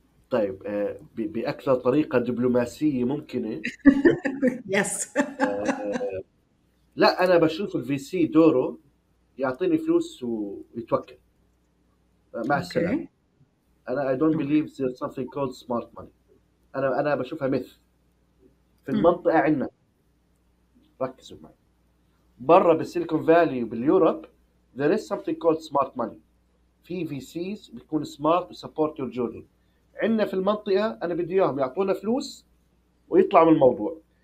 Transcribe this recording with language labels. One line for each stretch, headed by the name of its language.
Arabic: طيب بأكثر طريقة دبلوماسية ممكنة
English: yes
Arabic: لا، أنا بشوف الفي سي دوره يعطيني فلوس ويتوكل مع السلامة. أنا
English: I don't believe there's something called smart money.
Arabic: أنا بشوفها مث في المنطقة عنا، ركزوا معي، برا بالسيليكون فالي وباليوروب
English: there is something called smart money.
Arabic: في في سيز بيكون
English: smart to support your journey.
Arabic: عندنا في المنطقة أنا بدي إياهم يعطونا فلوس ويطلعوا من الموضوع.